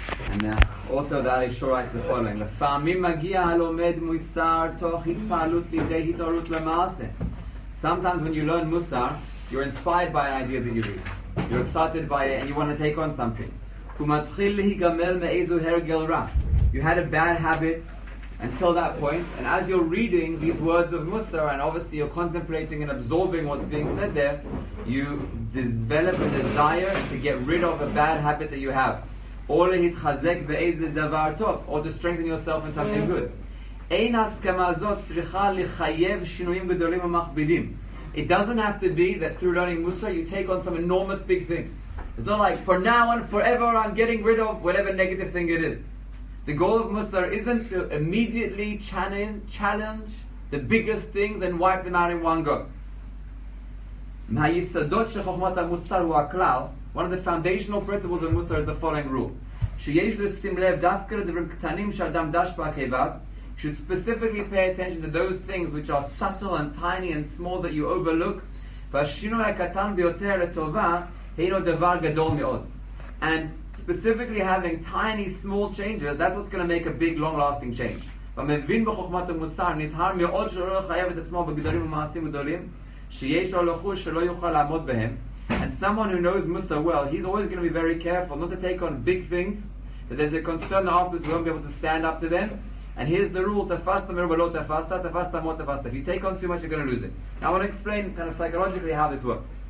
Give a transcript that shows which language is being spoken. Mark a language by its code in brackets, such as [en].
[en] And also the Ali Shor writes the following. [he] לפעמים מגיע הלומד מוסר תוך התפעלות לידי התעוררות למעשה. [en] Sometimes when you learn Musar, you're inspired by an idea that you read. You're excited by it and you want to take on something. [he] ומתחיל להיגמל מאיזו הרגל רע. [en] You had a bad habit until that point, and as you're reading these words of Musar, and obviously you're contemplating and absorbing what's being said there, you develop a desire to get rid of a bad habit that you have. Or [he] להתחזק באיזה דבר טוב, [en] or to strengthen yourself in something good. [he] אין הסכמה הזאת צריכה לחייב שינויים גדולים ומכבידים. [en] It doesn't have to be that through learning Musar you take on some enormous big thing. It's not like, for now and forever I'm getting rid of whatever negative thing it is. The goal of Musar isn't to immediately challenge the biggest things and wipe them out in one go. [he] מהיסודות של חוכמת המוסר הוא הכלל, [en] one of the foundational principles of Musar is the following rule. [he] שיש לשים לב דווקא לדברים קטנים שאדם דש בעקביו, [en] should specifically pay attention to those things which are subtle and tiny and small that you overlook. [he] והשינוי הקטן ביותר לטובה, הינו דבר גדול מאוד. [en] And specifically having tiny, small changes, that's what's going to make a big, long-lasting change. [he] ומבין בחוכמת המוסר, נזהר מאוד שלא לחייב את עצמו בגדרים ומעשים גדולים, שיש לו לחוש שלא יוכל לעמוד בהם. [en] And someone who knows Musa well, he's always going to be very careful not to take on big things, that there's a concern that afterwards we won't be able to stand up to them. And here's the rule, [he] tafasta meru velo tafasta, tafasta mo tafasta. [en] If you take on too much, you're going to lose it. Now I want to explain kind of psychologically how this works.